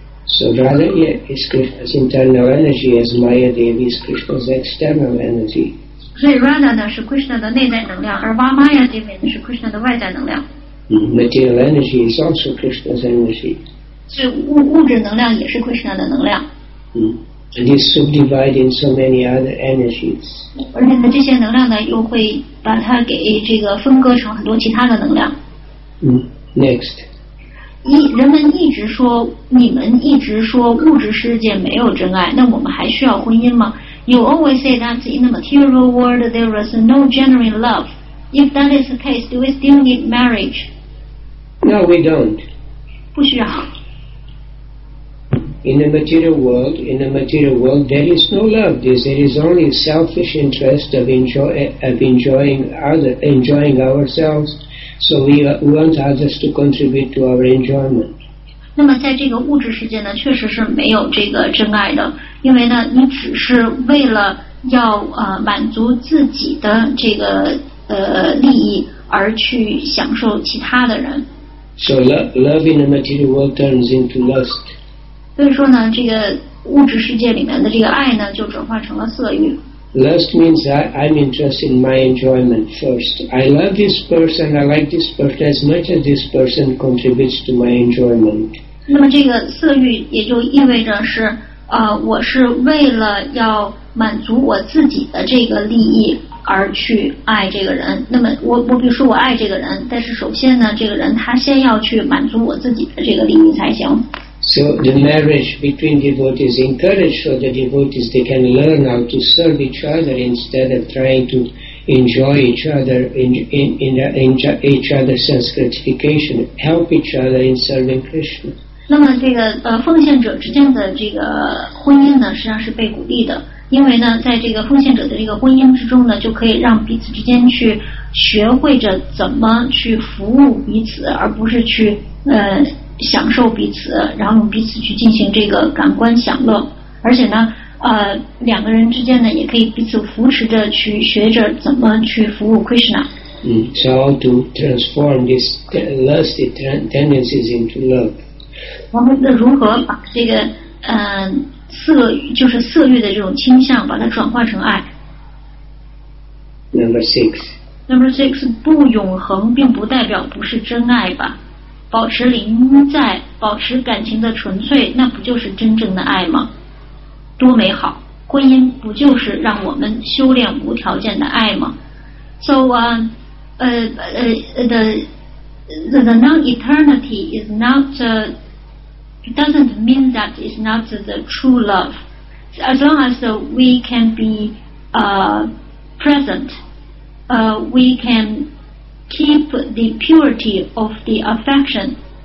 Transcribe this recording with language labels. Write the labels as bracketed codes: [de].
[en] So Radha is Krishna's internal energy, as Maya Devi is Krishna's external energy. [zh] 所以 Radha 呢是 Krishna 的内在能量，而 Maya Devi 呢是 Krishna 的外在能量。 [en] Material energy is also Krishna's energy. [zh] 是物质能量也是 Krishna 的能量。 [en] And it's subdivided in so many other energies. [zh] 而且呢，这些能量呢，又会把它给这个分割成很多其他的能量。 [en] Next. [zh] 人们一直说，你们一直说物质世界没有真爱，那我们还需要婚姻吗 ？ [en] You always say that in the material world there is no genuine love. If that is the case, do we still need marriage? No, we don't. [zh] 不需要。 [en] In the material world, there is no love. There is only selfish interest of enjoying ourselves. So we want others to contribute to our enjoyment. [zh] 那么在这个物质世界呢，确实是没有这个真爱的，因为呢，你只是为了要满足自己的这个利益而去享受其他的人。 [en] So love in the material world turns into lust. [zh] 所以说呢，这个物质世界里面的这个爱呢，就转化成了色欲。 [en] Lust means I'm interested in my enjoyment first. I love this person. I like this person as much as this person contributes to my enjoyment. [zh] 那么这个色欲也就意味着是，我是为了要满足我自己的这个利益而去爱这个人。那么我比如说我爱这个人，但是首先呢，这个人他先要去满足我自己的这个利益才行。 [en] So the marriage between devotees encourages so the devotees they can learn how to serve each other instead of trying to enjoy each other in each other's sense gratification. Help each other in serving Krishna. [zh] 那么这个奉献者之间的这个婚姻呢，实际上是被鼓励的，因为呢，在这个奉献者的这个婚姻之中呢，就可以让彼此之间去学会着怎么去服务彼此，而不是去享受彼此，然后彼此去进行这个感官享乐，而且呢，两个人之间呢，也可以彼此扶持着去学着怎么去服务 Krishna。 [en] 嗯 ，so how to transform this lusty tendencies into love？ [zh] 我们的如何把这个色就是色欲的这种倾向，把它转化成爱 [en] ？Number six。 Number six， [zh] 不永恒并不代表不是真爱吧？保持临在，保持感情的纯粹，那不就是真正的爱吗？多美好，婚姻不就是让我们修炼无条件的爱吗？ [en] So the non-eternity is not doesn't mean that it's not the true love. As long as we can be present, we canKeep the purity of the affection.